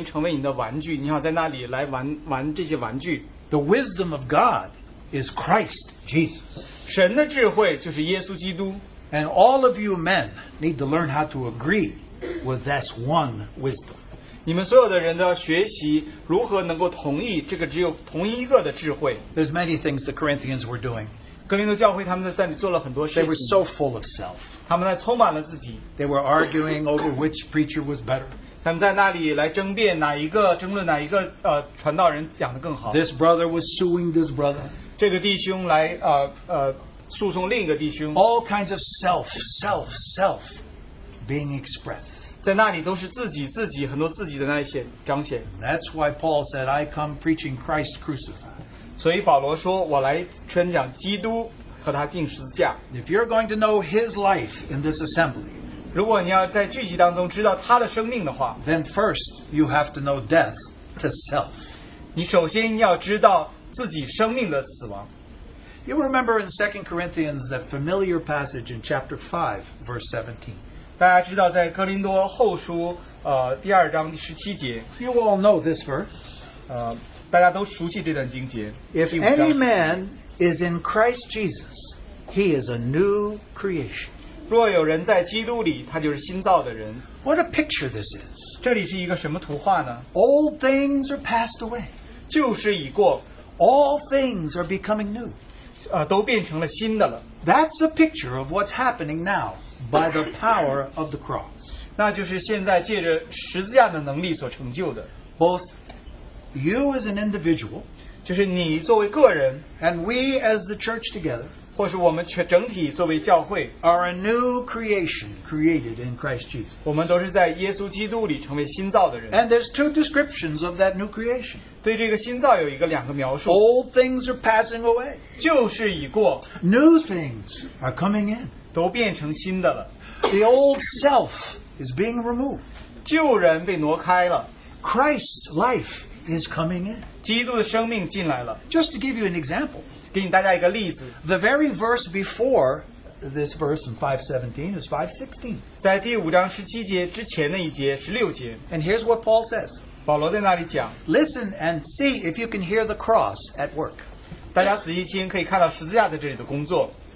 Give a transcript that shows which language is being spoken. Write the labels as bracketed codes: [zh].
[zh] 因为你思想当中的智慧好像已经成为你的玩具,你好在那里来玩这些玩具。 [en] The wisdom of God is Christ Jesus. [zh] 神的智慧就是耶稣基督。 [en] And all of you men need to learn how to agree with this one wisdom. [zh] 你们所有的人都要学习如何能够同意这个只有同一个的智慧。 [en] There's many things the Corinthians were doing. [zh] 哥林多教会他们在那里做了很多事情。 [en] They were so full of self. [zh] 他们在充满了自己。 [en] They were arguing over which preacher was better. [zh] 他们在那里来争辩哪一个传道人讲得更好。 [en] This brother was suing this brother. [zh] 这个弟兄来诉讼另一个弟兄。 [en] All kinds of self being expressed. [zh] 在那里都是自己很多自己的那些彰显。 [en] That's why Paul said, I come preaching Christ crucified. [zh] 所以保罗说, 我来宣讲基督和他钉十字架。 [en] If you're going to know his life in this assembly, Then first, you have to know death to self. You remember in 2 Corinthians that familiar passage in chapter 5, verse 17. [zh] 大家知道在哥林多后书, 第二章第17节, [en] you all know this verse. [zh] 大家都熟悉这段经节, [en] if any man is in Christ Jesus, he is a new creation. [zh] 若有人在基督里, [en] what a picture this is. [zh] 这里是一个什么图画呢? [en] Old things are passed away. [zh] 旧事已过, [en] all things are becoming new. [zh] 都变成了新的了。 [en] That's a picture of what's happening now by the power of the cross. [zh] 那就是现在借着十字架的能力所成就的。 [en] Both you as an individual, [zh] 就是你作为个人, [en] and we as the church together, [zh] 或是我们整体作为教会, [en] are a new creation created in Christ Jesus. [zh] 我们都是在耶稣基督里成为新造的人。 [en] And there's two descriptions of that new creation. [zh] 对这个新造有一个两个描述。 [en] Old things are passing away. [zh] 旧事已过, [en] new things are coming in. [zh] 都变成新的了。 [en] The old self is being removed. [zh] 旧人被挪开了。 [en] Christ's life is coming in. [zh] 基督的生命进来了。 [en] Just to give you an example, [zh] 给你大家一个例子, [en] the very verse before this verse in 5:17 is 5:16. [zh] 在第五章十七节之前的一节十六节, [en] and here's what Paul says. [zh] 保罗在那里讲, [en] listen and see if you can hear the cross at work. [zh] 大家仔细听可以看到十字架在这里的工作。